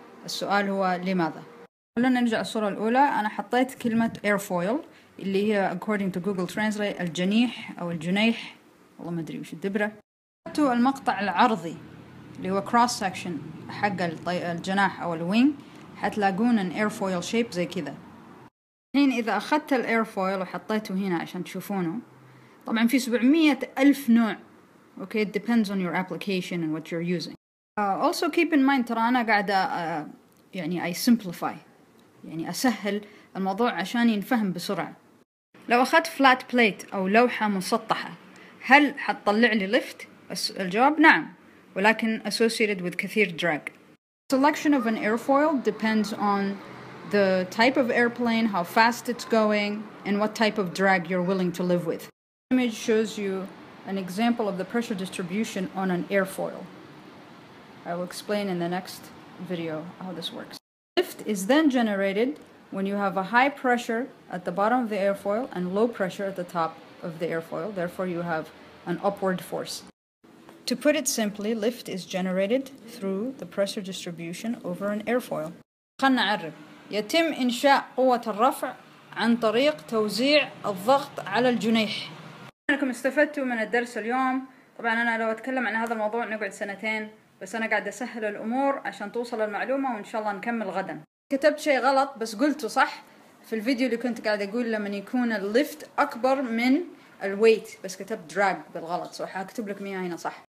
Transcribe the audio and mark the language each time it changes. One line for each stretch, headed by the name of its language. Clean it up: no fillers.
Arabic: السؤال هو لماذا؟ خلونا نرجع الصورة الأولى. أنا حطيت كلمة airfoil اللي هي
English: according to Google Translate
Arabic: الجنيح أو الجنيح، والله ما أدري وش الدبرة. حطيت المقطع العرضي اللي هو cross section حق الجناح أو الwing، هتلاقون
English: an airfoil shape
Arabic: زي كذا. الحين إذا أخذت airfoil وحطيته هنا عشان تشوفونه، طبعا في 700,000 نوع.
English: Okay, it depends on your application and what you're using. Also keep in mind
Arabic: ترى أنا قاعدة يعني
English: I simplify،
Arabic: يعني أسهل الموضوع عشان ينفهم بسرعة. لو أخذت flat plate أو لوحة مسطحة، هل حتطلع لي lift؟ الجواب نعم، ولكن
English: associated with
Arabic: كثير drag.
English: Selection of an airfoil depends on the type of airplane, how fast it's going, and what type of drag you're willing to live with. The image shows you an example of the pressure distribution on an airfoil. I will explain in the next video how this works. Lift is then generated when you have a high pressure at the bottom of the airfoil and low pressure at the top of the airfoil. Therefore, you have an upward force. To put it simply, lift is generated through the pressure distribution over an airfoil.
Arabic: خلنا نعرف. يتم إنشاء قوة الرفع عن طريق توزيع الضغط على الجنيح. أنكم استفدتوا من الدرس اليوم. طبعا أنا لو أتكلم عن هذا الموضوع نقعد سنتين، بس أنا قاعد أسهل الأمور عشان توصل المعلومة، وإن شاء الله نكمل غدا. كتبت شيء غلط بس قلته صح في الفيديو اللي كنت قاعد أقول لما يكون الليفت أكبر من الويت، بس كتبت دراج بالغلط، سوف أكتب لك مياه هنا صح.